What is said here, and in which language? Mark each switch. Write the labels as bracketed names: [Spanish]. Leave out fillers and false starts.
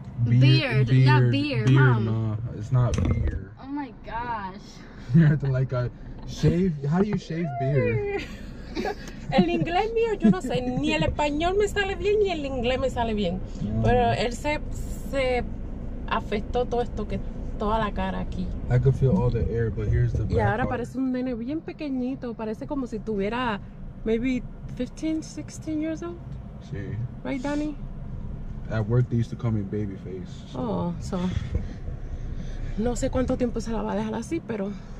[English] Beard, mom. Oh my gosh. You have to like a... Shave? How do you shave beard? [Spanish] El inglés mío, yo no sé, ni el español me sale bien, ni el inglés me sale bien. Pero él se afectó todo esto, que toda la cara aquí. [English] I could feel all the air, but here's the bad [Spanish] y ahora [English] part. [Spanish] Parece un nene bien pequeñito, parece como si tuviera [English] maybe 15, 16 years old. [Spanish] Sí. [English] Right, Danny? At work, they used to call me baby face. So. Oh, so. [Spanish] No sé cuánto tiempo se la va a dejar así, pero...